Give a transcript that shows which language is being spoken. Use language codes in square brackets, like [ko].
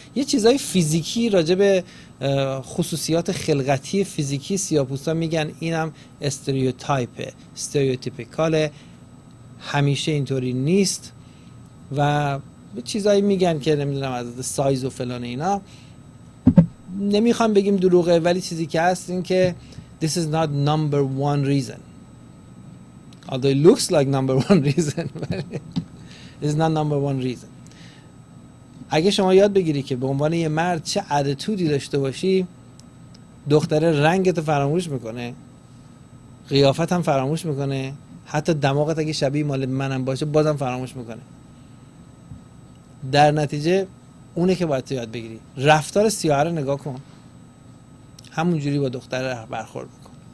[fa] یه چیزای فیزیکی راجع به خصوصیات خلقتی فیزیکی سیاه‌پوستا میگن، اینم استریوتایپه، استریوتیپیکاله، همیشه اینطوری نیست و به چیزایی میگن که نمیدونم از سایز و فلان اینا. نمیخوام بگیم دروغه، ولی چیزی که هست این که [en] this is not number one reason although it looks like number one reason this is not number one reason. [fa] اگه شما یاد بگیری که به عنوان یه مرد چه attitude داشته باشی، دختره رنگتو فراموش میکنه، قیافت هم فراموش میکنه، حتی دماغت اگه شبیه مال منم باشه بازم فراموش میکنه. در نتیجه اونه که باید تو یاد بگیری رفتار سیاه رو نگاه کن، همونجوری با دختر برخورد بکن.